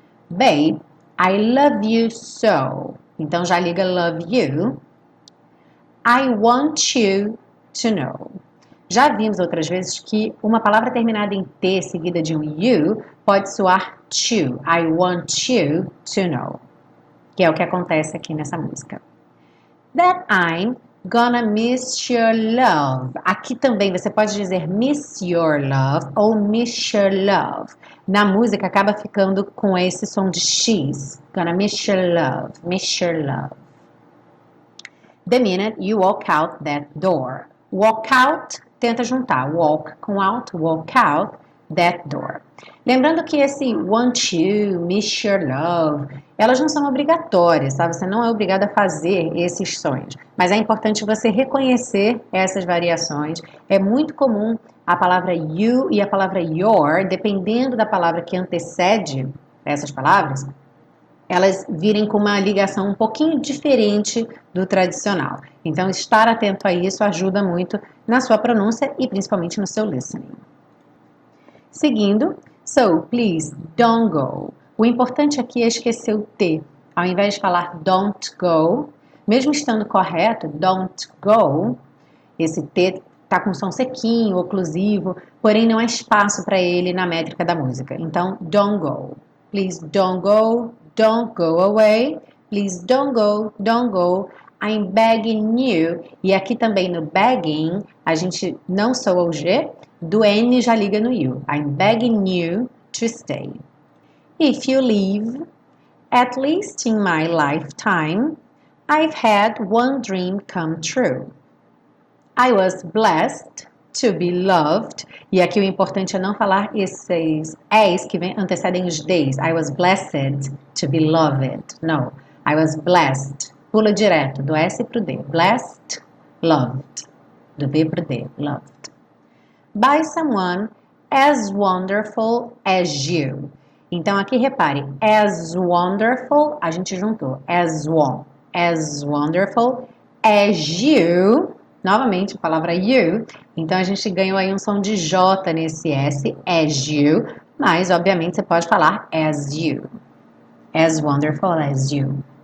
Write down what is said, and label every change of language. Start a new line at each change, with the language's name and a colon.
English: Babe, I love you so.
Portuguese: Então já liga
English: love you. I want you to know.
Portuguese: Já vimos outras vezes que uma palavra terminada em T seguida de um you pode soar to.
English: I want you to know.
Portuguese: Que é o que acontece aqui nessa música.
English: That I'm gonna miss your love.
Portuguese: Aqui também você pode dizer miss your love ou miss your love. Na música acaba ficando com esse som de X.
English: Gonna miss your love, miss your love. The minute you walk out that door. Walk out.
Portuguese: Tenta juntar walk com out,
English: walk out that door.
Portuguese: Lembrando que esse want you, miss your love, elas não são obrigatórias, sabe? Você não é obrigada a fazer esses sons, mas é importante você reconhecer essas variações. É muito comum a palavra you e a palavra your, dependendo da palavra que antecede essas palavras, elas virem com uma ligação um pouquinho diferente do tradicional. Então, estar atento a isso ajuda muito na sua pronúncia e principalmente no seu listening.
English: Seguindo, so please don't go.
Portuguese: O importante aqui é esquecer o T. Ao invés de falar don't go, mesmo estando correto, don't go, esse T está com som sequinho, oclusivo, porém não há espaço para ele na métrica da música.
English: Então, don't go. Please don't go. Don't go away. Please don't go. Don't go. I'm begging you.
Portuguese: E aqui também no begging, a gente não soa o G, do N já liga no U.
English: I'm begging you to stay. If you leave, at least in my lifetime, I've had one dream come true. I was blessed to be loved.
Portuguese: E aqui o importante é não falar esses S que vem antecedem os D's.
English: I was blessed to be loved. No, I was blessed.
Portuguese: Pula direto do S pro D. Blessed, loved. Do B pro D, loved.
English: By someone as wonderful as you.
Portuguese: Então aqui repare, as wonderful, a gente juntou.
English: As wonderful as you.
Portuguese: Novamente, a palavra you. Então, a gente ganhou aí um som de J nesse S, as you. Mas, obviamente, você pode falar as you.
English: As wonderful as you.